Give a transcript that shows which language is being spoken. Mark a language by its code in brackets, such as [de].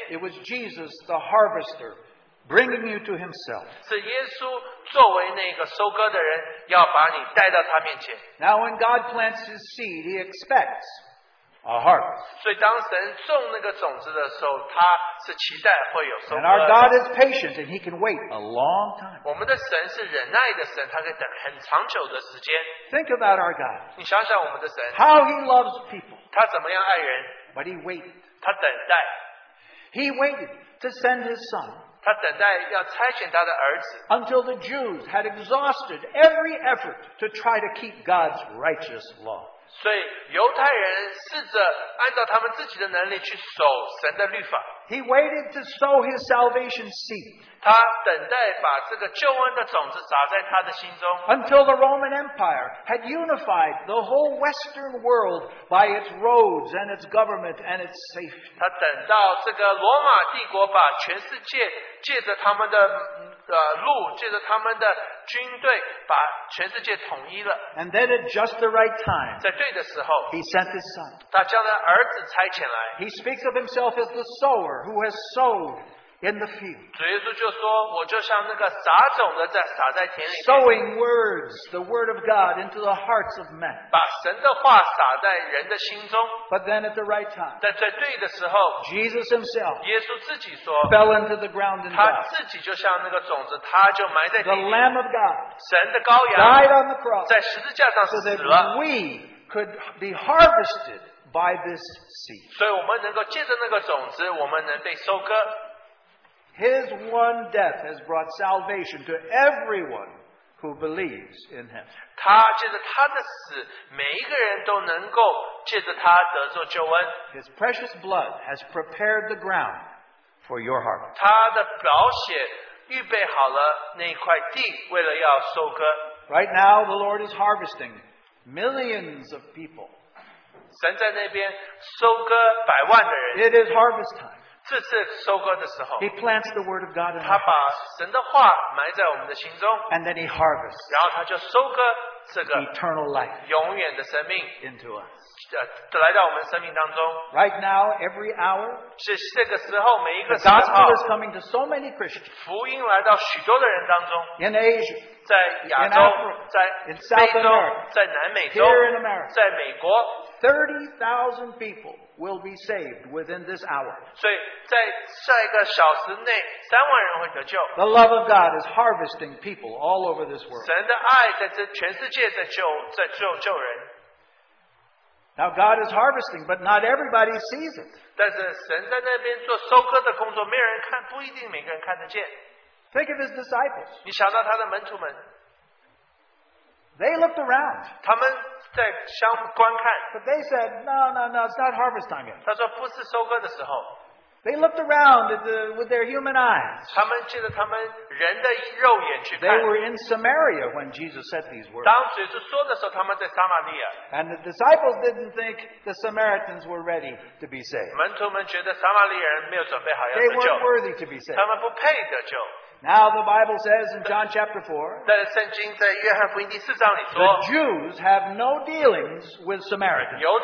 [en] It was Jesus, the harvester, bringing you to Himself. [zh] 是耶稣作为那个收割的人,要把你带到他面前。 [en] Now when God plants His seed, He expects a harvest. And our God is patient and He can wait a long time. Think about our God. How He loves people. [zh] 他怎么样爱人, [en] but He waited. [zh] 他等待, [en] He waited to send His Son. [zh] 他等待要差遣他的儿子, [en] until the Jews had exhausted every effort to try to keep God's righteous law. [zh] 所以犹太人试着按照他们自己的能力去守神的律法。 [en] He waited to sow his salvation seed. [zh] 他等待把这个救恩的种子撒在他的心中。 [en] Until the Roman Empire had unified the whole Western world by its roads and its government and its safety. [zh] 他等到这个罗马帝国把全世界借着他们的 路借着他们的军队把全世界统一了。 [en] And then at just the right time, [zh] 在对的时候, [en] he sent his son. [zh] 他将他儿子差遣来。 [en] He speaks of himself as the sower who has sowed in the field. [zh] 主耶稣就说, 我就像那个撒种的撒在田里面。 [en] Sowing words, the word of God, into the hearts of men. [zh] 把神的话撒在人的心中。 [en] But then at the right time, [zh] 但在对的时候, [en] Jesus himself, [zh] 耶稣自己说, [en] fell into the ground and died. [zh] 他自己就像那个种子, 他就埋在地里面, [en] the Lamb of God, [zh] 神的羔羊, [en] died on the cross, [zh] 在十字架上死了。 [en] So that we could be harvested by this seed. [zh] 所以我们能够借着那个种子, 我们能被收割。 [en] His one death has brought salvation to everyone who believes in him. [zh] 他借着他的死, 每一个人都能够借着他得着救恩。 [en] His precious blood has prepared the ground for your harvest. [zh] 他的宝血预备好了那块地, 为了要收割。 [en] Right now, the Lord is harvesting millions of people. [zh] 神在那边收割百万的人。 [en] It is harvest time. [zh] 这次收割的时候, [en] he plants the word of God in [zh] 他把神的话埋在我们的心中, [en] and then he harvests [zh] 然后他就收割这个 [en] eternal life [zh] 永远的生命 [en] into us. [zh] 来到我们生命当中, [en] right now, every hour, [zh] 是这个时候, 每一个时候, [en] the gospel is coming to so many Christians. [zh] 福音来到许多的人当中, [en] in Asia, [zh] 在亚洲, [en] in Africa, [zh] 在非洲, [en] in South America, [zh] 在南美洲, [en] here in America, [zh] 在美国, [en] 30,000 people will be saved within this hour. [zh] 所以在下一个小时内, [en] the love of God is harvesting people all over this world. [zh] 神的爱在这全世界在救人。 [en] Now God is harvesting, but not everybody sees it. [zh] 但是神在那边做收割的工作, 没人看, 不一定每个人看得见。 [en] Think of his disciples. [zh] 你想到他的门徒们。 [en] They looked around. [zh] 他们在相观看, [en] but they said, no, no, no, it's not harvest time yet. [zh] 他说不是收割的时候。 [en] They looked around at the, with their human eyes. [zh] 他们记得他们人的肉眼去看, [en] they were in Samaria when Jesus said these words. [zh] 当主耶稣说的时候,他们在撒玛利亚。 [en] And the disciples didn't think the Samaritans were ready to be saved. [zh] 门徒们觉得撒玛利亚人没有准备好要得救。 [en] They weren't worthy to be saved. [zh] 他们不配得救。 [en] Now the Bible says in John chapter 4, the Jews have no dealings with Samaritans.